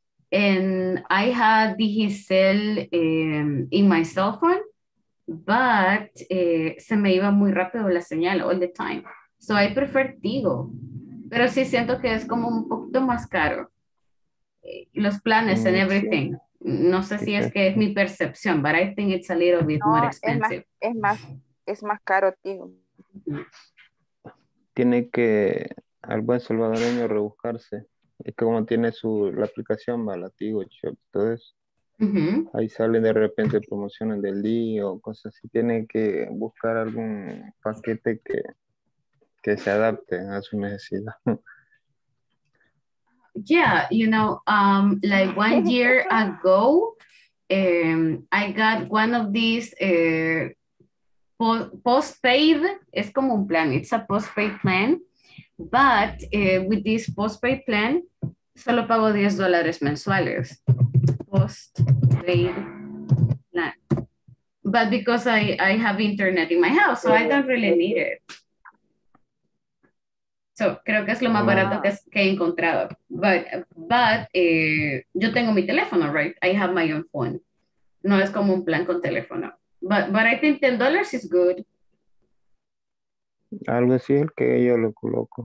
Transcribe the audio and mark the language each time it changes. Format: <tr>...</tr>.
<en>And I had Digicel in my cell phone, but</en> <es>se me iba muy rápido la señal</es> <en>all the time. So I prefer Tigo.</en> <es>Pero sí siento que es como un poquito más caro. Los planes</es> <en>and everything.</en> <es>Sí. No sé si es que es mi percepción,</es> <en>but I think it's a little bit more expensive.</en> <es>Es más caro, tío. Tiene que al buen salvadoreño rebuscarse. Es que como tiene la aplicación, va la Tigo Shop, todo eso. Uh-huh. Ahí salen de repente promociones del día o cosas así. Tiene que buscar algún paquete que se adapte a su necesidad.</es> <en>Yeah, you know, like 1 year ago, I got one of these postpaid,</en> <es>es como un plan,</es> <en>it's a postpaid plan, but with this postpaid plan,</en> <es>solo pago $10 mensuales,</es> <en>postpaid plan, but because I have internet in my house, so I don't really need it.</en> <es>So, creo que es lo más barato que he encontrado. Yo tengo mi teléfono,</es> <en>right? I have my own phone.</en> <es>No es como un plan con teléfono.</es> <en>But I think $10 is good.</en> <es>Algo así es el que yo lo coloco.</es>